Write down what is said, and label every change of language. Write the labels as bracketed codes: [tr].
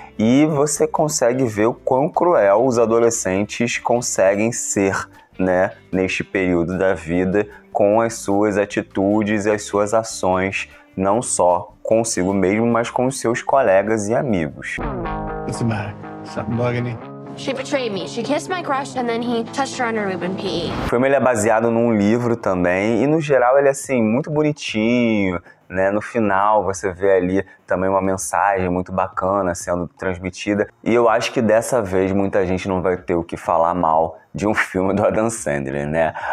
[pt] E você consegue ver o quão cruel os adolescentes conseguem ser, né, neste período da vida, com as suas atitudes e as suas ações, não só consigo mesmo, mas com os seus colegas e amigos. [en] What's the matter? Something bugging you? She betrayed me. She kissed my crush and then he touched her on her Reuben P. [pt] O filme é baseado num livro também, e no geral ele é assim, muito bonitinho, né? No final você vê ali também uma mensagem muito bacana sendo transmitida. E eu acho que dessa vez muita gente não vai ter o que falar mal de um filme do Adam Sandler, né?